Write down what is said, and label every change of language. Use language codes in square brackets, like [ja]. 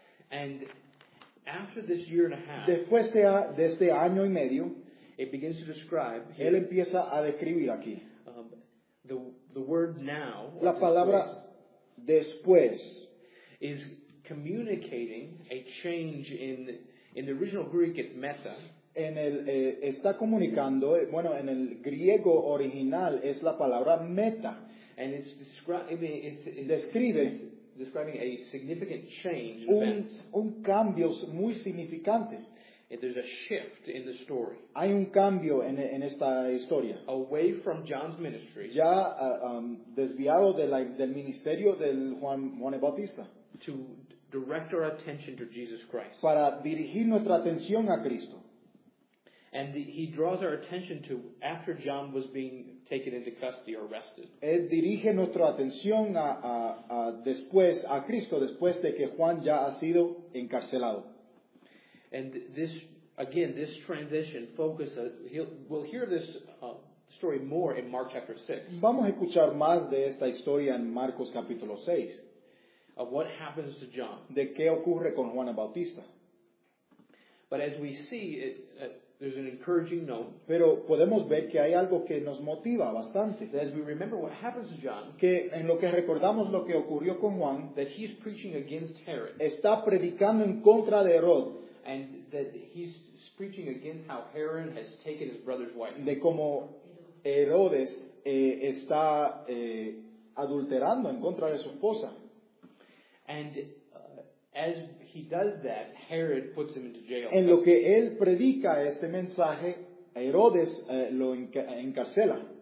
[en] And after this year and a half, [es] después de este año y medio, [en] it begins to describe here, [es] él empieza a describir aquí. [en] The word now, [es] la palabra después, [en] is communicating a change in the original Greek, it's meta. [es] En el está comunicando, bueno, en el griego original es la palabra meta. [en] And it's describing, it's [es] describe, [en] it's describing a significant change. [es] Un cambio muy significante. [en] And there's a shift in the story. [es] Hay un cambio en esta historia. [en] Away from John's ministry. [es] Ya desviado del ministerio del Juan el Bautista. [en] To direct our attention to Jesus Christ. [es] Para dirigir nuestra atención a Cristo. [en] And he draws our attention to after John was being taken into custody or arrested. [es] Él dirige nuestra atención a después a Cristo después de que Juan ya ha sido encarcelado. [en] And this again, this transition focus. We'll hear this story more in Mark chapter 6. [es] Vamos a escuchar más de esta historia en Marcos capítulo 6. [en] Of what happens to John. [es] De qué ocurre con Juan el Bautista. [en] But as we see it. There's an encouraging note. [es] Pero podemos ver que hay algo que nos motiva bastante. [en] That as we remember what happens to John, [es] que en lo que recordamos lo que ocurrió con Juan, [en] that he's preaching against Herod, [es] está predicando en contra de Herod, [en] and that he's preaching against how Herod has taken his brother's wife. [es] De cómo Herodes está adulterando en contra de su esposa. [en] And as he does that, Herod puts him into jail. [es] En lo que él predica este mensaje, Herodes lo encarcela.